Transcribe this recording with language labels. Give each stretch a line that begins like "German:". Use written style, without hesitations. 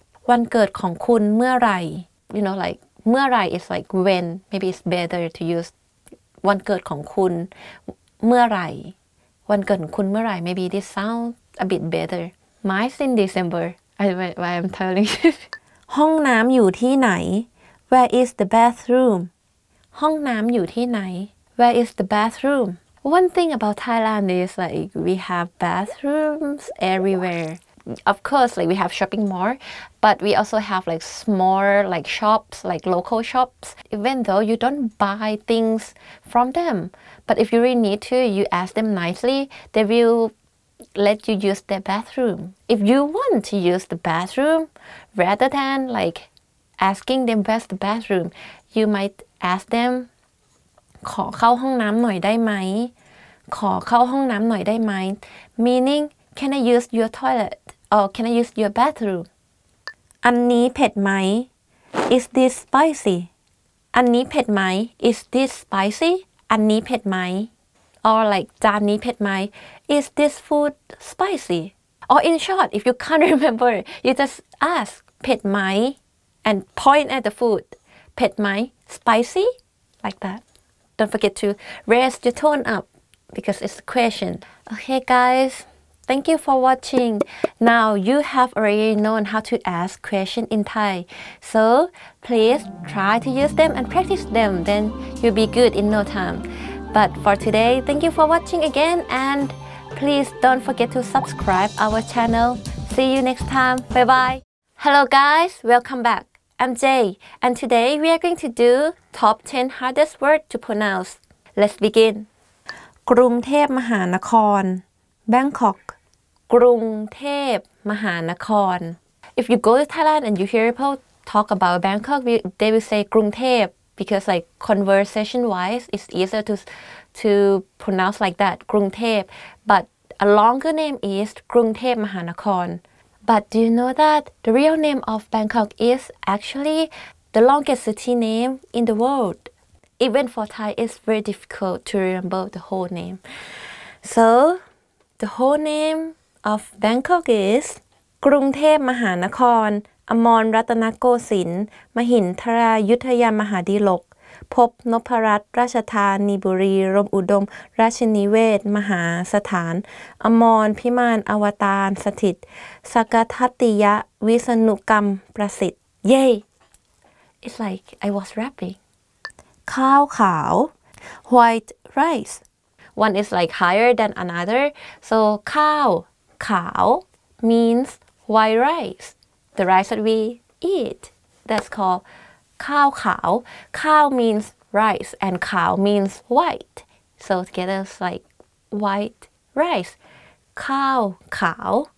Thai: วันเกิดของคุณเมื่อไหร่
English: You know like เมื่อไหร่ is like when maybe it's better to use
Thai: วันเกิดของคุณเมื่อไหร่วันเกิดของคุณเมื่อไหร่
English: Maybe this sounds a bit better Mine's in December why I'm telling you
Thai: ห้องน้ำอยู่ที่ไหน
English: Where is the bathroom
Thai: ห้องน้ำอยู่ที่ไหน
English: Where is the bathroom? One thing about Thailand is like we have bathrooms everywhere. Of course, like we have shopping mall, but we also have like small like shops, like local shops. Even though you don't buy things from them, but if you really need to, you ask them nicely. They will let you use their bathroom. If you want to use the bathroom, rather than like asking them where's the bathroom, you might. Ask them,
Thai: ขอเข้าห้องน้ำหน่อยได้ไหม ขอเข้าห้องน้ำหน่อยได้ไหม
English: Meaning, can I use your toilet? Or can I use your bathroom?
Thai: อันนี้เผ็ดไหม
English: Is this spicy?
Thai: อันนี้เผ็ดไหม
English: Is this spicy? อันนี้เผ็ดไหม Or like,
Thai: จานนี้เผ็ดไหม
English: Is this food spicy? Or in short, if you can't remember, you just ask,
Thai: เผ็ดไหม
English: And point at the food.
Thai: เผ็ดไหม
English: spicy like that don't forget to raise your tone up because it's a question okay guys thank you for watching now you have already known how to ask question in Thai so please try to use them and practice them then you'll be good in no time but for today thank you for watching again and please don't forget to subscribe our channel see you next time bye bye hello guys welcome backI'm Jay, and today we are going to do top 10 hardest words to pronounce. Let's begin. กรุงเทพมหานคร Bangkok. กรุงเทพมหานคร If you go to Thailand and you hear people talk about Bangkok, they will say กรุงเทพ because like conversation-wise, it's easier to pronounce like that, กรุงเทพ But a longer name is กรุงเทพมหานครBut do you know that the real name of Bangkok is actually the longest city name in the world? Even for Thai, it's very difficult to remember the whole name. So, the whole name of Bangkok is
Thai: กรุงเทพมหานครอมรรัตนโกสินทร์มหินทรายุทธยามหาดิลกภพนพรัตน์ราชธานีบุรีรมอุดมราชนิเวศมหาสถานอมรพิมานอวตารสถิตสกทัตติยะวิษณุกรรมประสิทธิ์
English: Yay! It's like I was rapping.
Thai: ข้าวขาว
English: White rice. One is like higher than another. So
Thai: ข้าวขาว
English: means white rice. The rice that we eat. That's called
Thai: ข้าวขาว
English: ข้าว means rice and ขาว means white so together it's like white rice ข้าวขาว